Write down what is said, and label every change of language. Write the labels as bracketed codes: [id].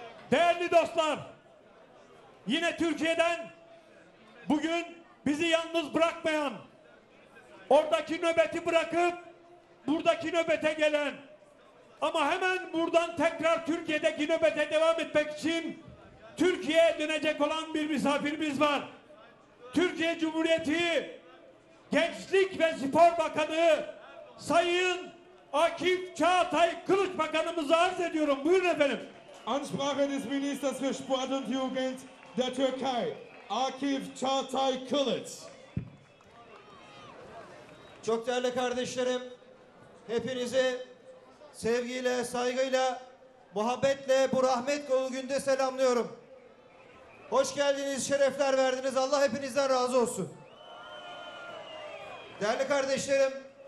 [tr] Değerli dostlar, yine Türkiye'den bugün bizi yalnız bırakmayan, oradaki nöbeti bırakıp buradaki nöbete gelen ama hemen buradan tekrar Türkiye'deki nöbete devam etmek için Türkiye'ye dönecek olan bir misafirimiz var. Türkiye Cumhuriyeti Gençlik ve Spor Bakanı Sayın Akif Çağatay Kılıç Bakanımıza arz ediyorum. Buyurun efendim. [de] Ansprache des Ministers für Sport und Jugend der Türkei, Akif Çağatay Kılıç. [tr] Çok değerli kardeşlerim, hepinizi sevgiyle, saygıyla, muhabbetle bu rahmet dolu günde selamlıyorum. Hoş geldiniz, şerefler verdiniz. Allah hepinizden razı olsun. Değerli kardeşlerim,